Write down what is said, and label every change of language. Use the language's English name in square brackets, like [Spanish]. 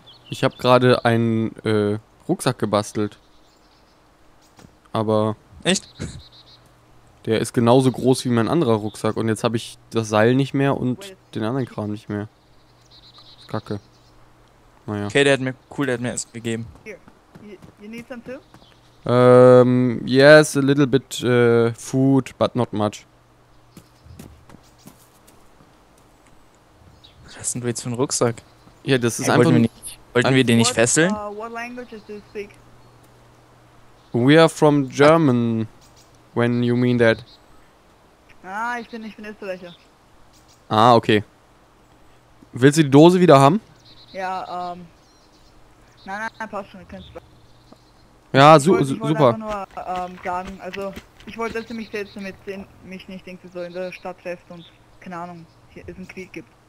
[German] Ich habe gerade einen Rucksack gebastelt. Aber echt? Der ist genauso groß wie mein anderer Rucksack und jetzt habe ich das Seil nicht mehr und den anderen Kram nicht mehr. Kacke. Naja. Okay, der hat mir es gegeben. [English] Here. You need some too? Yes, a little bit food, but not much. [German] Was sind wir jetzt für einen Rucksack? Ja, das ist einfach. Wollten wir den nicht fesseln? [English] What languages do you speak? We are from German, when you mean that. [German] Ah, ich bin Österreicher. Ah, okay. Willst du die Dose wieder haben? Ja, Nein, passt schon, ihr könnt's. Ja, super. Ich wollte einfach nur sagen, also, ich wollte, dass du mich selbst damit sehen, mich nicht denkst, so in der Stadt treffst und, keine Ahnung, hier ist ein Krieg gibt.